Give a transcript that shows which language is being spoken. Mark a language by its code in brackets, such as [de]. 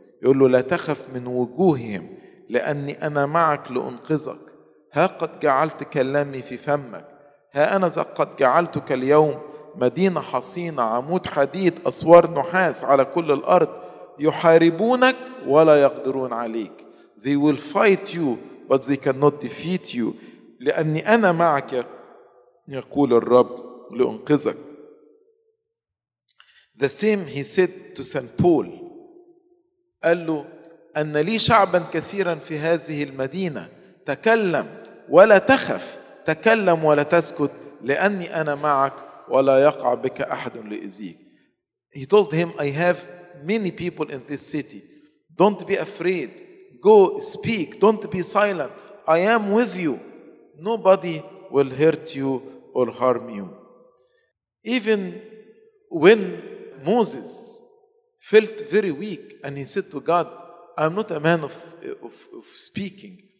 [ar] يقول له لا تخف من وجوههم لأني أنا معك لأنقذك. ها قد جعلت كلامي في فمك. ها أنا قد جعلتك اليوم مدينة حصينة عمود حديد أسوار نحاس على كل الأرض. يحاربونك ولا يقدرون عليك. [en] They will fight you but they cannot defeat you. [ar] لأني أنا معك يقول الرب لأنقذك. [en] The same he said to St. Paul. [ar] قال له أن لي شعبا كثيرا في هذه المدينة. تكلم ولا تخف. تكلم ولا تسكت لأني أنا معك ولا يقع بك أحد لإزيك. [en] He told him, I have many people in this city. Don't be afraid. Go speak. Don't be silent. I am with you. Nobody will hurt you or harm you. Even when Moses felt very weak and he said to God, I'm not a man of speaking.